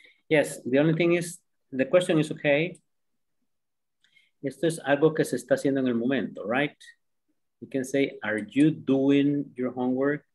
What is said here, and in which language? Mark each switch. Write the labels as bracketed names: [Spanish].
[English] Yes, the only thing is, the question is okay. [Spanish] Esto es algo que se está haciendo en el momento, right? [English] You can say, are you doing your homework?